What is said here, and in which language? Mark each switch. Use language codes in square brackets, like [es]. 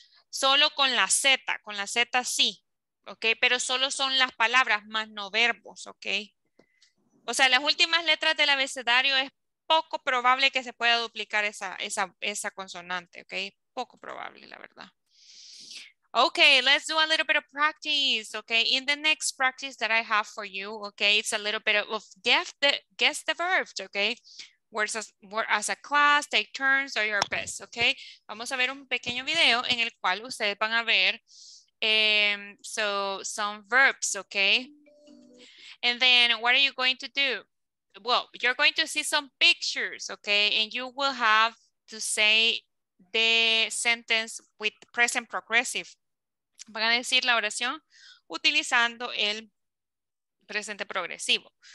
[es] Solo con la Z sí, ok. Pero solo son las palabras más no verbos, ok. O sea, las últimas letras del abecedario es poco probable que se pueda duplicar esa consonante, ok. Poco probable, la verdad. [en] Okay, let's do a little bit of practice, okay? In the next practice that I have for you, okay? It's a little bit of guess the verbs, okay? Words as a class, take turns, or your best, okay? [es] Vamos a ver un pequeño video en el cual ustedes van a ver [en] some verbs, [es] okay? [en] And then what are you going to do? Well, you're going to see some pictures, okay? And you will have to say the sentence with present progressive. [es] Van a decir la oración utilizando el presente progresivo.